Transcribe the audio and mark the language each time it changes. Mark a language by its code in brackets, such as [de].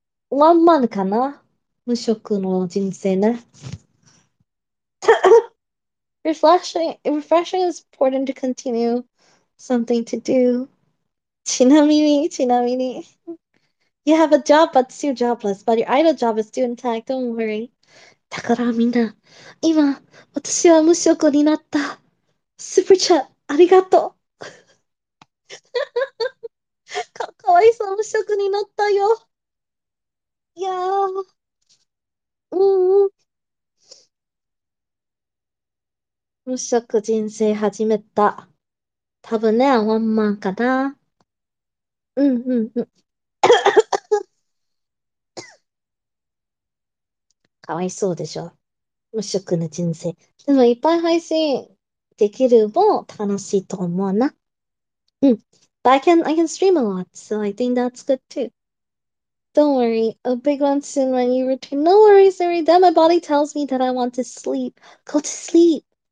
[ja] ワンマンかな？無職の人生ね。 [en] Refreshing is important to continue something to do. [ja] ちなみに。 [en] You have a job but still jobless, but your idle job is still intact, don't worry. [ja] だからみんな、今、私は無職になった。スープちゃん、ありがとかわいそう、無職になったよ。いやー、無職人生始めた。多分ね、ワンマンかな。かわいそうでしょ。無職の人生。でも、いっぱい配信できるも楽しいと思うな。 [en] But I can stream a lot, so I think that's good too. Don't worry, a big one soon when you return. No worries, sorry. That my body tells me that I want to sleep. Go to sleep.